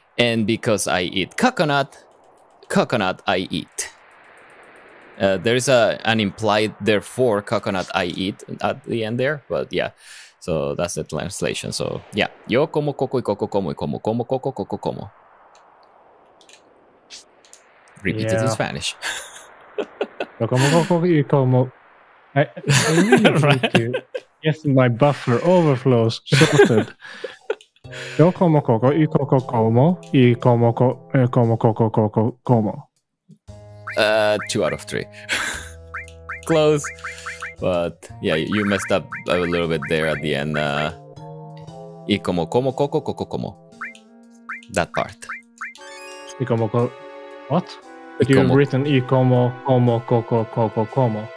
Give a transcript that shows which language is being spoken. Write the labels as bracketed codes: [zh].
[en] And because I eat coconut, coconut I eat. There is an implied therefore coconut I eat at the end there, but yeah, so that's the translation. So yeah, [es] yo como coco y coco como y como como coco coco como. [en] Repeat it in Spanish. [es] Yo como coco y como. [en] I really need to. Yes, my buffer overflows. Sorted. [es] Yo como coco y coco como y como como coco coco como. [en] 2 out of 3. Close. But yeah, you messed up a little bit there at the end. [es] Y como como coco coco como. [en] That part. [es] Y como [en] what? You've written [es] y como como coco coco como.